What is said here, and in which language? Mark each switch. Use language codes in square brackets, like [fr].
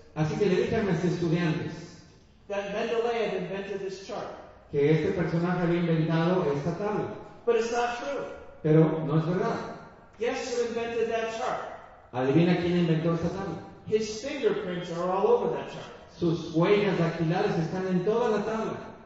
[es] Así que le dije a mis estudiantes [en] that Mendeleev invented this chart. [es] Que este personaje había inventado esta tabla. [en] But it's not true. [es] Pero no es verdad. [en] Guess who invented that chart? [es] Adivina quién inventó esta tabla. [en] His fingerprints are all over that chart. [es] Sus huellas dactilares están en toda la tabla.